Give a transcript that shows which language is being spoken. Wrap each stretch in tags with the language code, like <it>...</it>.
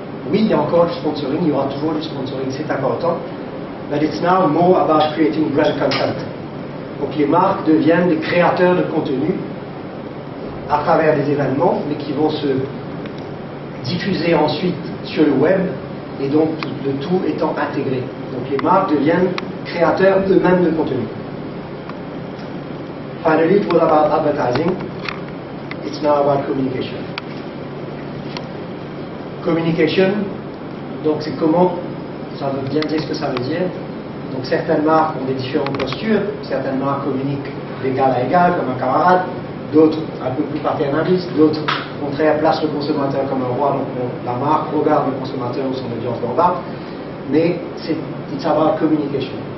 <fr>Oui, il y a encore du sponsoring, il y aura toujours du sponsoring, c'est important.</fr> <en>But it's now more about creating brand content.</en> <fr>Donc les marques deviennent des créateurs de contenu à travers des événements, mais qui vont se diffuser ensuite sur le web, et donc le tout étant intégré. Donc les marques deviennent créateurs eux-mêmes de contenu.</fr> <en>Finally, it was about advertising. It's now about communication.</en> <fr>Communication, donc c'est comment, ça veut bien dire ce que ça veut dire. Donc certaines marques ont des différentes postures, certaines marques communiquent d'égal à égal, comme un camarade, d'autres un peu plus paternalistes, d'autres contraire, place le consommateur comme un roi, donc la marque regarde le consommateur ou son audience d'en bas, mais c'est</fr> <en>It's about communication.</en>